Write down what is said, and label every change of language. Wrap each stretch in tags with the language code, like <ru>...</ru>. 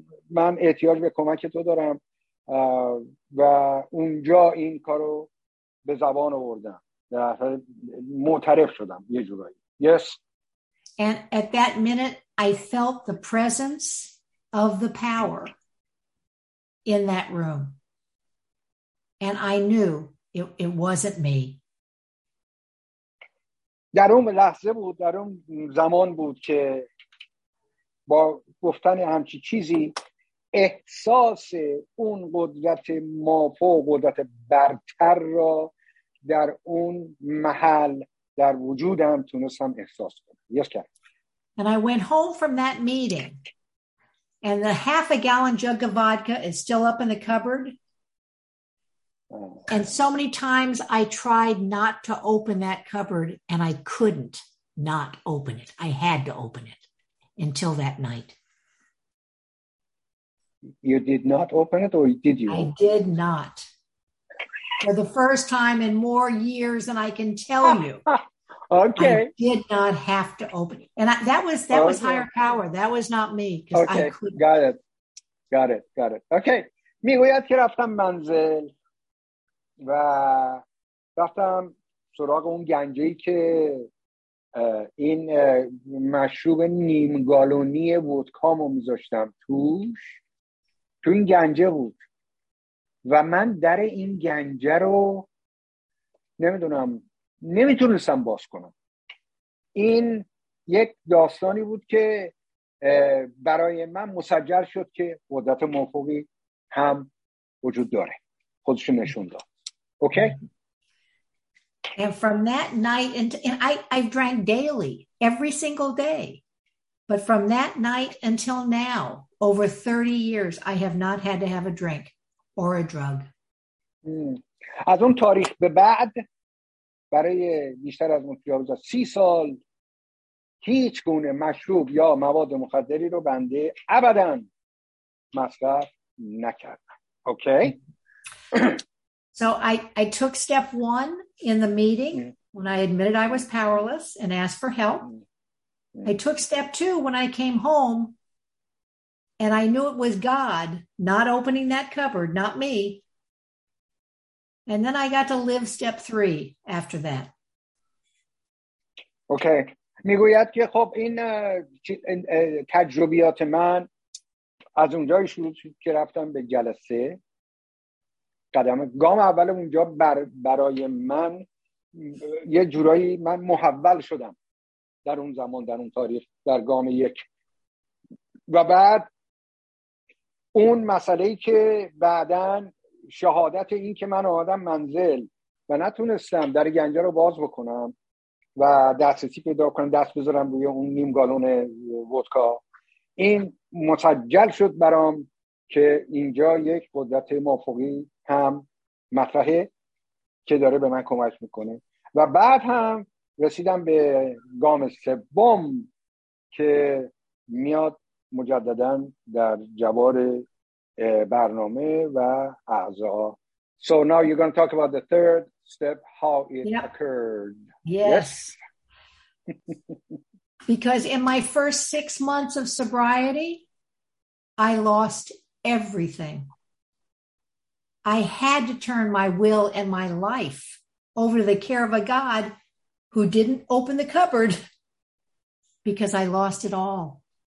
<fa>من احتیاج به کمک تو دارم و اونجا این کارو به زبان آوردم، در اصل معترف شدم یه جورایی.</fa> <en>Yes. And at that minute, I felt the presence of the power in that room. And I knew it wasn't me.</en> <fa>در اون لحظه بود، در اون زمان بود که با گفتن همچی چیزی احساس اون قدرت مافوق، قدرت برتر را در اون محل در وجودم تونستم احساس کنم.</fa> <en>Yes, Karen. And I went home from that meeting, and the half a gallon jug of vodka is still up in the cupboard. And so many times I tried not to open that cupboard, and I couldn't not open it. I had to open it until that night. You did not open it, or did you? I did not. For the first time in more years than I can tell you. Okay. I did not have to open it. And that was higher power. That was not me. Okay. Got it. Okay.</en> <fa>میگوید که رفتم منزل و رفتم سراغ اون گنجه‌ای که این مشروب نیم گالونی ودکامو میذاشتم توش. تو این گنجه بود. و من در این گنجه رو نمیتونستم باز کنم. این یک داستانی بود که برای من مسجل شد که قدرت موفقی هم وجود داره، خودشو نشون داد. اوکی.</fa> <en>And from that night and I drank daily every single day, but from that night until now over 30 years I have not had to have a drink or a drug.</en> <fa>از اون تاریخ به بعد برای بیشتر از متجاوز 30 سال هیچ گونه مشروب یا مواد مخدری رو بنده ابدا مصرف نکردم. اوکی.</fa> <en>So I took step 1 in the meeting when I admitted I was powerless and asked for help. I took step 2 when I came home and I knew it was God not opening that cupboard, not me. And then I got to live step 3 after that. Okay.</en> <fa>میگوید که خب این تجربیات من از اونجای شروع که رفتم به جلسه قدم گام اول اونجا برای من یه جورایی من محول شدم در اون زمان، در اون تاریخ، در گام 1. و بعد اون مسئله‌ای که بعداً شهادت این که من آمدم منزل و نتونستم در گنجه رو باز بکنم و دسترسی پیدا کنم، دست بذارم روی اون نیم گالون ودکا. این مسجل شد برام که اینجا یک قدرت مافوقی هم مطرحه که داره به من کمک میکنه. و بعد هم رسیدم به گام سوم که میاد مجدداً در جوار برنامه و اعضا.</fa> <en>So now you're going to talk about the third step, how it yep. occurred. Yes. Because in my first 6 months of sobriety, I lost everything. I had to turn my will and my life over to the care of a God who didn't open the cupboard because I lost it all.</en>